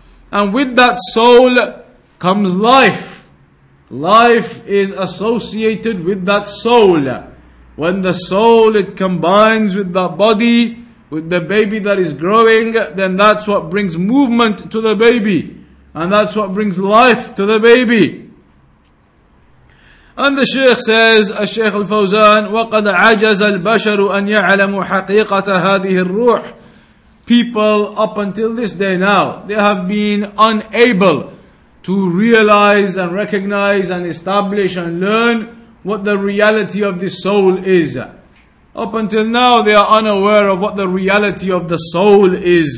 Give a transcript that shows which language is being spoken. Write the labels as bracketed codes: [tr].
[en] And with that soul comes life. Life is associated with that soul. When the soul, it combines with that body, with the baby that is growing, then that's what brings movement to the baby. And that's what brings life to the baby. And the Shaykh says, [ar] الشيخ الفوزان, وَقَدْ عَجَزَ الْبَشَرُ أَنْ يَعْلَمُ حَقِيقَةَ هَذِهِ الرُّوحِ. [en] People up until this day now, they have been unable to realize and recognize and establish and learn what the reality of the soul is. Up until now, they are unaware of what the reality of the soul is.